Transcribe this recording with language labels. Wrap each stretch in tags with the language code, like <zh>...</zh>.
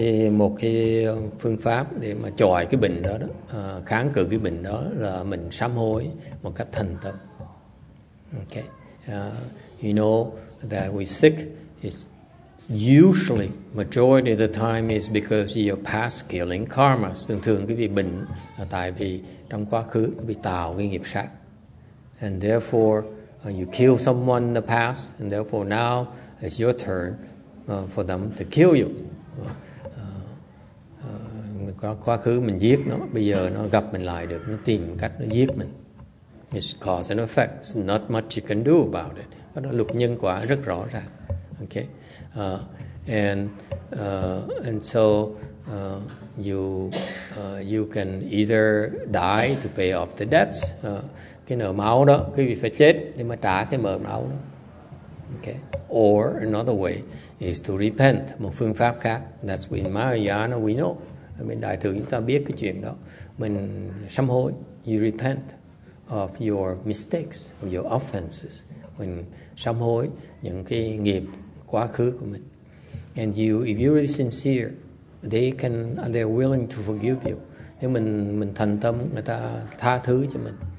<vi>Một cái phương pháp để mà chọi cái bệnh đó, kháng cự cái bệnh đó là mình sám hối một cách thành tâm. Okay.</vi> <en>You know that we sick is usually majority of the time is because of your past killing karma.</en> <vi>Thường thường cái bệnh là tại vì trong quá khứ bị tạo cái nghiệp sát.</vi> <en>And therefore you kill someone in the past, and therefore now it's your turn for them to kill you.</en> <vi>Quá khứ mình giết nó, bây giờ nó gặp mình lại được, nó tìm cách nó giết mình.</vi> <en>It's cause and effect. It's not much you can do about it.</en> <vi>Đó là luật nhân quả rất rõ ràng. Okay.</vi> <en>And so you can either die to pay off the debts.</en> <vi>Cái nợ máu đó, quý vị phải chết để mà trả cái nợ máu đó.</vi> <en>Okay. Or another way is to repent.</en> <vi>Một phương pháp khác.</vi> <en>That's what in Mahayana we know.</en> <vi>Bên đại thừa chúng ta biết cái chuyện đó. Mình sám hối.</vi> <en>You repent of your mistakes, of your offenses.</en> <vi>Mình sám hối những cái nghiệp quá khứ của mình.</vi> <en>And you, if you're really sincere, they're willing to forgive you.</en> <vi>Nếu mình thành tâm, người ta tha thứ cho mình.</vi>